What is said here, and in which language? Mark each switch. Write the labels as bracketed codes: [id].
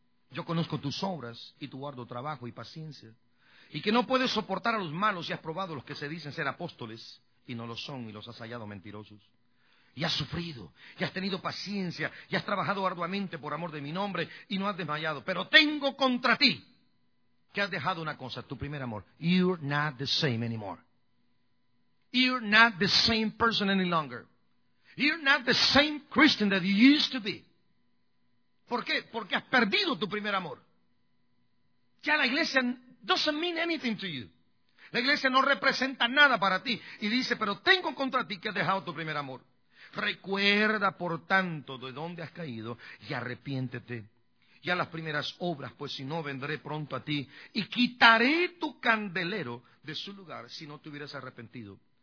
[es] Yo conozco tus obras y tu arduo trabajo y paciencia, y que no puedes soportar a los malos y has probado a los que se dicen ser apóstoles y no lo son y los has hallado mentirosos. Y has sufrido, y has tenido paciencia, y has trabajado arduamente por amor de mi nombre y no has desmayado. Pero tengo contra ti que has dejado una cosa, tu primer amor. [en] You're not the same anymore. You're not the same person any longer. You're not the same Christian that you used to be. [es] ¿Por qué? Porque has perdido tu primer amor. Ya la iglesia [en] doesn't mean anything to you. [es] La iglesia no representa nada para ti. Y dice, pero tengo contra ti que has dejado tu primer amor. Recuerda, por tanto, de dónde has caído y arrepiéntete. Ya las primeras obras, pues si no, vendré pronto a ti y quitaré tu candelero de su lugar si no te hubieras arrepentido.